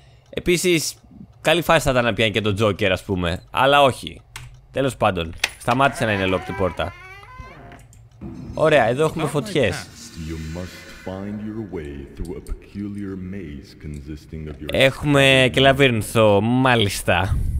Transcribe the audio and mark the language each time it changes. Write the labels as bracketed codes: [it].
[el] Επίσης, καλή φάση θα ήταν να πιάνει και τον Τζόκερ, ας πούμε. Αλλά όχι. Τέλος πάντων, σταμάτησε να είναι locked η πόρτα. Ωραία, εδώ έχουμε φωτιές. [en] find your way through a peculiar maze consisting of your. [el] Έχουμε και λαβύρινθο, μάλιστα.